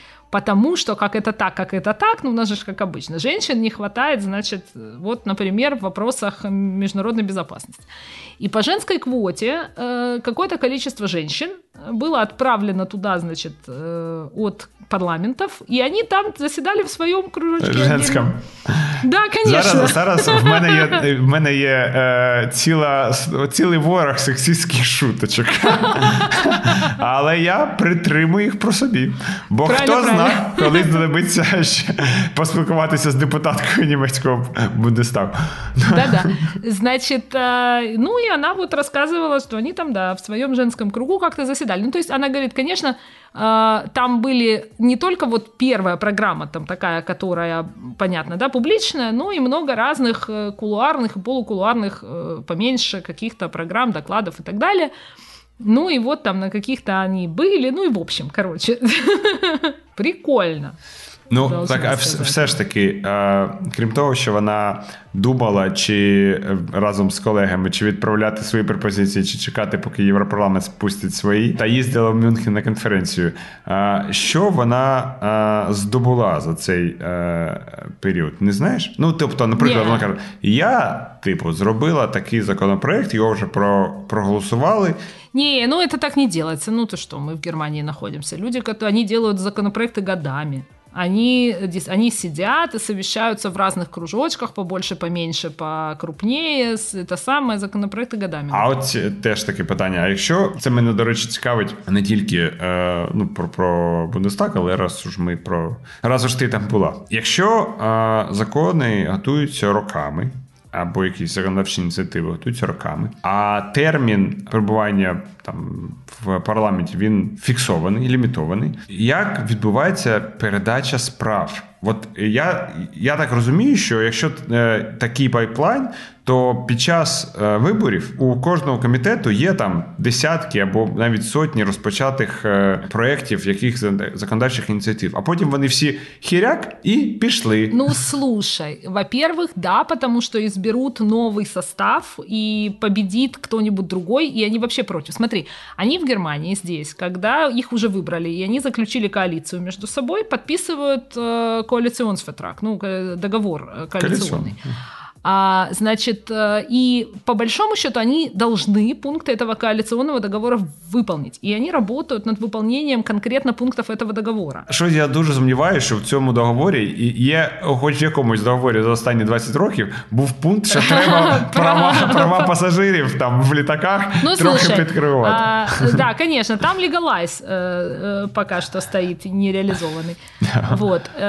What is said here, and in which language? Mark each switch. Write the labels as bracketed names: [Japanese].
[Russian] Потому что как это так, ну у нас же как обычно, женщин не хватает, значит, вот, например, в вопросах международной безопасности. И по женской квоте какое-то количество женщин было отправлено туда, значит, от парламентов, и они там заседали в своем кружочке. Женском. Да, конечно. [Ukrainian] Зараз в мене є цілий ворог сексистських шуточок. Але я притримую їх про собі. Бо хто знає, коли знадобиться поспілкуватися з депутаткою німецького Бундестагу. Да-да. Значить, ну і вона от розказувала, що вони там, да, в своєму женському кругу як-то засідали. Ну, тобто, вона говорить, звісно, [Russian] там были не только вот первая программа там такая, которая, понятно, да, публичная, но и много разных кулуарных и полукулуарных, поменьше каких-то программ, докладов и так далее. Ну и вот там на каких-то они были, ну и в общем, короче, прикольно. [Ukrainian] Ну, так, а все ж таки, крім того, що вона думала, чи разом з колегами, чи відправляти свої пропозиції, чи чекати, поки Європарламент спустить свої, та їздила в Мюнхен на конференцію, що вона здобула за цей період, не знаєш? Ну, тобто, наприклад, вона каже, я, типу, зробила такий законопроект, його вже проголосували. Ні, ну, це так не робиться, ну, то що, ми в Германії знаходимося, люди, які роблять законопроекти годами. [Russian] Они сидят и совещаются в разных кружочках, побольше, поменьше, покрупнее. Это самое, законопроекты годами. [Ukrainian] А вот теж таке питання. А якщо це мене, до речі, цікавить не тільки про Бундестаг, але раз уж ти там була. Якщо закони готуються роками, або якісь законодавчі ініціативи готуються роками, а термін перебування там в парламенті, він фіксований, лімітований. Як відбувається передача справ? От я так розумію, що якщо такий пайплайн, то під час виборів у кожного комітету є там десятки або навіть сотні розпочатих проєктів, яких законодавчих ініціатив. А потім вони всі хіряк і пішли. [Russian] Ну, слушай, во-первых, да, потому что изберут новый состав и победит кто-нибудь другой, и они вообще против. Смотри, они в Германии здесь, когда их уже выбрали, и они заключили коалицию между собой, подписывают коалиционсвертраг, ну, договор коалиционный. Значит, и по большому счету они должны пункты этого коалиционного договора выполнить. И они работают над выполнением конкретно пунктов этого договора. [Ukrainian] Что я дуже сомневаюсь, что в цьому договоре є хоч якомусь договорі за останні 20 років був пункт, що треба права пасажирів там в літаках трохи підкривати. [Russian] Да, конечно, там легалайз пока что стоит нереализованный. Вот.